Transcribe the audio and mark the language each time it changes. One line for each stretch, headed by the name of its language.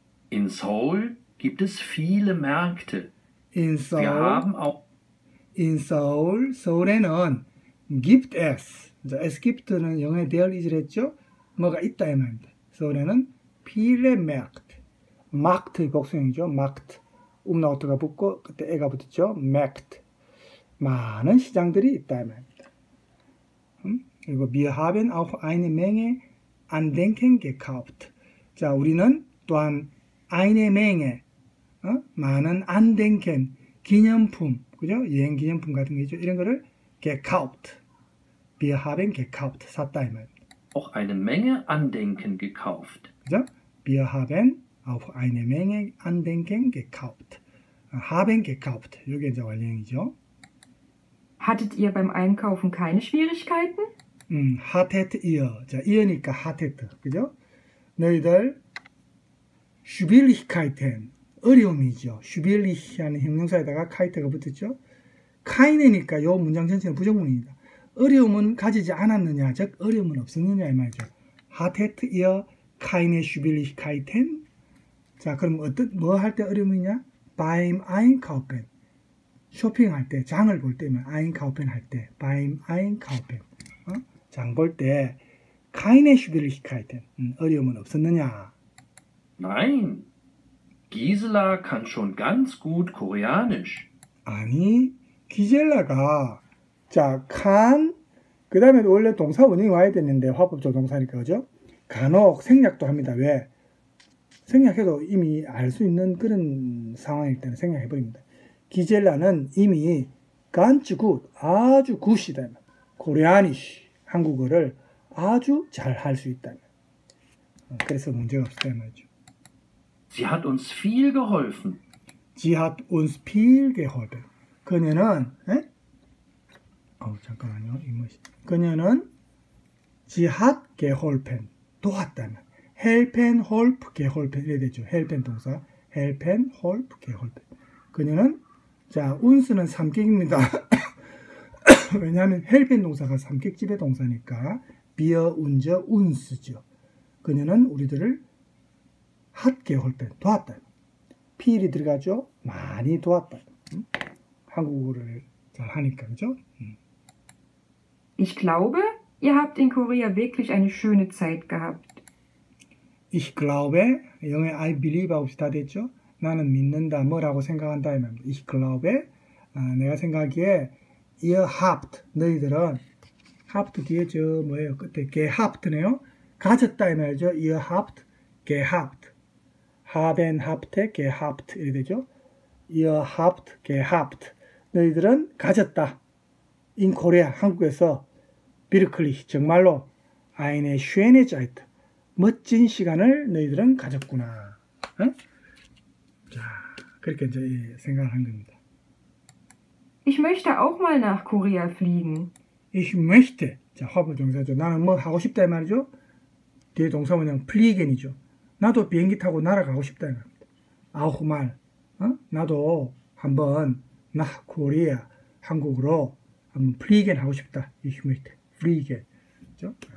German: in Seoul gibt es viele Märkte. In Seoul. Wir haben auch in Seoul.
Korean: 서울에는
German: gibt es.
Korean: 이제
German: es gibt
Korean: 는 영어에 대할 이지랬죠. 뭐가 있다 이 말입니다. 서울에는
German: viele Märkte.
Korean: Markt의 복수형이죠.
German: Markt.
Korean: 음라우트가 붙고 그때 애가 붙었죠.
German: Markt.
Korean: 많은 시장들이 있다 이 말입니다. 그리고
German: wir haben auch eine Menge Andenken gekauft.
Korean: 자, 우리는 또한
German: eine Menge
Korean: 많은 Andenken 기념품, 그죠? 여행 기념품 같은 거 있죠. 이런 거를 gekauft.
German: Wir haben gekauft.
Korean: 샀다 이 말입니다.
German: Auch eine Menge Andenken gekauft.
Korean: 그죠?
German: Wir haben auch eine Menge Andenken gekauft. Haben gekauft.
Korean: 이게 이제 완료형이죠.
German: Hattet ihr beim Einkaufen keine Schwierigkeiten? Hattet ihr.
Korean: 자, ihr니까 hattet. 그죠? 너희들 Schwierigkeiten. 어려움이죠. Schwierig하는 형용사에다가 keine가 붙었죠. keine니까 요 문장 전체는 부정문입니다. 어려움은 가지지 않았느냐, 즉 어려움은 없었느냐 이 말이죠.
German: Hattet ihr keine Schwierigkeiten?
Korean: 자, 그럼 어떤 뭐 할 때 어려움이냐?
German: Beim Einkaufen.
Korean: 쇼핑할 때, 장을 볼 때면 Einkaufen 할 때,
German: beim Einkaufen.
Korean: 장 볼 때
German: keine Schwierigkeiten.
Korean: 어려움은 없었느냐?
German: Nein. Gisela kann schon ganz gut Koreanisch.
Korean: 아니, 기젤라가 자, kann, 그 다음에 원래 동사 원형이 와야 되는데, 화법적 동사니까, 그죠? 간혹 생략도 합니다. 왜? 생략해도 이미 알 수 있는 그런 상황일 때는 생략해버립니다. 기젤라는 이미
German: ganz gut,
Korean: 아주 굿이다. 코리아니시, 한국어를 아주 잘 할 수 있다. 그래서 문제가 없었다 말이죠.
German: Sie hat uns viel geholfen. Sie hat uns viel geholfen.
Korean: 그녀는, 에? 어우, 잠깐만요. 그녀는
German: sie hat geholfen.
Korean: 도왔다면. helfen, help, geholfen. 이래야 되죠. helfen 동사. helfen, help, geholfen. 그녀는 자, uns는 삼객입니다. 왜냐하면 helfen 동사가 삼객집의 동사니까 wir, uns, uns죠. 그녀는 우리들을
German: hat geholfen.
Korean: 도왔다. viel이 들어가죠. 많이 도왔다. 한국어를 잘 하니까, 그죠?
German: Ich glaube, ihr habt in Korea wirklich eine schöne Zeit gehabt. Ich glaube,
Korean: 영어
English: I believe
Korean: 없이 다 됐죠? 나는 믿는다, 뭐라고 생각한다.
German: Ich glaube,
Korean: 내가 생각하기에
German: ihr habt,
Korean: 너희들은 habt 뒤에 저 뭐예요? 끝에 gehabt네요. 가졌다 이 말이죠.
German: ihr habt, gehabt.
Korean: haben, habt, gehabt 이렇게 되죠?
German: ihr habt, gehabt.
Korean: 너희들은 가졌다.
German: In Korea,
Korean: 한국에서
German: wirklich,
Korean: 정말로
German: eine schöne Zeit,
Korean: 멋진 시간을 너희들은 가졌구나. 응? 자, 그렇게 이제 생각을 한 겁니다.
German: Ich möchte auch mal nach Korea fliegen. Ich möchte.
Korean: 자, 화보 동사죠. 나는 뭐 하고 싶다 이 말이죠. 뒤에 동사 뭐냐면 fliegen이죠. 나도 비행기 타고 날아가고 싶다 이 말입니다.
German: Auch mal.
Korean: 응? 나도 한번
German: nach Korea,
Korean: 한국으로 한번 fliegen 하고 싶다.
German: Ich möchte.
Korean: 프리게. 그렇죠?